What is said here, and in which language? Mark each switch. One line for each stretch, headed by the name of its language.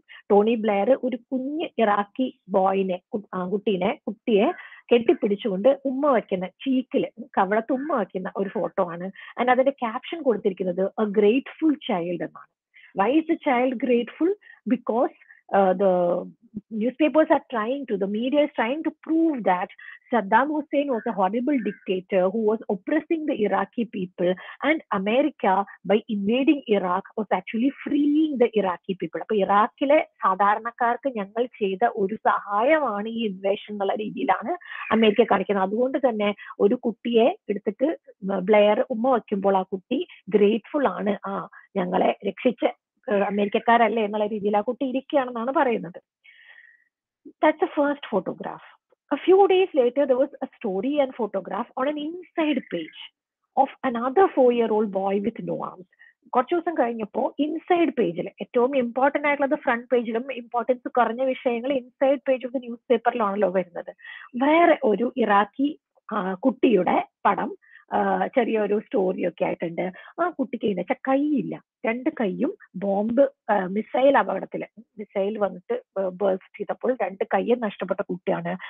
Malayalam: Tony Blair ഒരു കുഞ്ഞ് Iraqi ബോയിനെ, ആൺകുട്ടീനെ, കുട്ടിയെ കെട്ടിപ്പിടിച്ചുകൊണ്ട് ഉമ്മ വയ്ക്കുന്ന ചീക്കിൽ, കവളത്ത് ഉമ്മ വയ്ക്കുന്ന ഒരു ഫോട്ടോ ആണ്.
English: and
Malayalam: അതിന്റെ ക്യാപ്ഷൻ കൊടുത്തിരിക്കുന്നത്
English: a grateful child
Malayalam: എന്നാണ്.
English: Why is a child grateful? Because the newspapers are trying to, the media is trying to prove that Saddam Hussein was a horrible dictator who was oppressing the Iraqi people, and America, by invading Iraq, was actually freeing the Iraqi people.
Malayalam: അപ്പൊ ഇറാഖിലെ സാധാരണക്കാർക്ക് ഞങ്ങൾ ചെയ്ത ഒരു സഹായമാണ് ഈ invasion എന്നുള്ള രീതിയിലാണ് അമേരിക്ക കാണിക്കുന്നത്. അതുകൊണ്ട് തന്നെ ഒരു കുട്ടിയെ എടുത്തിട്ട് ബ്ലെയർ ഉമ്മ വയ്ക്കുമ്പോൾ ആ കുട്ടി ഗ്രേറ്റ്ഫുൾ ആണ്, ആ ഞങ്ങളെ രക്ഷിച്ച അമേരിക്കക്കാരല്ലേ എന്നുള്ള രീതിയിൽ ആ കുട്ടി ഇരിക്കുകയാണെന്നാണ് പറയുന്നത്.
English: That's the first photograph. A few days later, there was a story and photograph on an inside page of another 4-year-old boy with no arms.
Malayalam: കുറച്ച് ദിവസം കഴിഞ്ഞപ്പോ ഇൻസൈഡ് പേജിൽ, ഏറ്റവും ഇമ്പോർട്ടന്റ് ആയിട്ടുള്ളത് ഫ്രണ്ട് പേജിലും ഇമ്പോർട്ടൻസ് കുറഞ്ഞ വിഷയങ്ങൾ
English: inside page of the news
Malayalam: പേപ്പറിലാണല്ലോ വരുന്നത്, വേറെ ഒരു ഇറാഖി കുട്ടിയുടെ പടം, ചെറിയൊരു സ്റ്റോറിയൊക്കെ ആയിട്ടുണ്ട്. ആ കുട്ടിക്ക് എന്താ വെച്ചാൽ കൈയില്ല, രണ്ട് കൈയും ബോംബ് മിസൈൽ അപകടത്തിൽ, മിസൈൽ വന്നിട്ട് ബേസ്റ്റ് ചെയ്തപ്പോൾ രണ്ട് കൈയും നഷ്ടപ്പെട്ട കുട്ടിയാണ്.